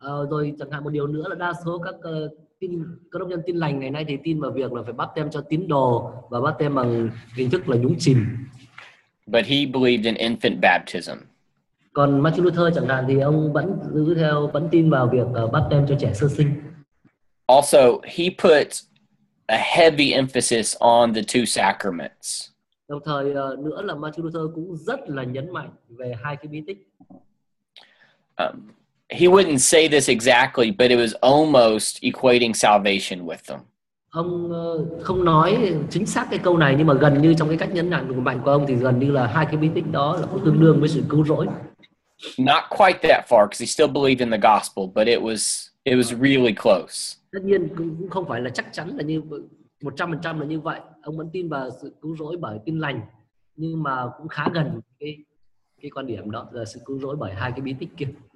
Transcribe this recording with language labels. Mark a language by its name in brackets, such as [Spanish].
[Vietnamese] Rồi chẳng hạn một điều nữa là đa số các các đồng nhân tin lành ngày nay thì tin vào việc là phải bắp tem cho tín đồ và bắp tem bằng hình thức là nhúng chìm. [English] But he believed in infant baptism. [Vietnamese] Còn Martin Luther chẳng hạn thì ông vẫn giữ theo vẫn tin vào việc bắp tem cho trẻ sơ sinh. [English] Also, he put a heavy emphasis on the two sacraments. [Vietnamese] Đồng thời nữa là Martin Luther cũng rất là nhấn mạnh về hai cái bí tích. [English] He wouldn't say this exactly, but it was almost equating salvation with them. [Vietnamese] Ông không nói chính xác cái câu này, nhưng mà gần như trong cái cách nhấn mạnh của ông thì gần như là hai cái bí tích đó là cũng tương đương với sự cứu rỗi. [English] Not quite that far, because he still believed in the gospel, but it was really close. [Vietnamese] Tất nhiên cũng không phải là chắc chắn là như 100% là như vậy. Ông vẫn tin vào sự cứu rỗi bởi tin lành, nhưng mà cũng khá gần cái quan điểm đó là sự cứu rỗi bởi hai cái bí tích kia.